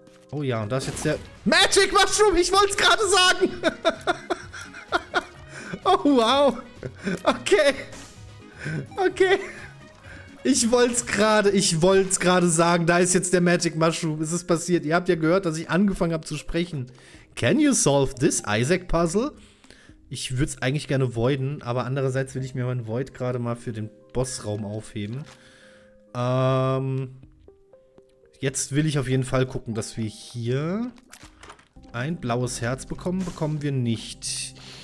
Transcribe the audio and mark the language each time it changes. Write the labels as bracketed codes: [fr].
[de] Oh ja, und da ist jetzt der Magic Mushroom. Ich wollte es gerade sagen. Oh, wow. Okay. Okay. Ich wollte es gerade sagen. Da ist jetzt der Magic Mushroom. Es ist passiert. Ihr habt ja gehört, dass ich angefangen habe zu sprechen. [en] Can you solve this Isaac Puzzle? [de] Ich würde es eigentlich gerne voiden, aber andererseits will ich mir mein Void gerade mal für den Bossraum aufheben. Jetzt will ich auf jeden Fall gucken, dass wir hier Ein blaues Herz bekommen, bekommen wir nicht.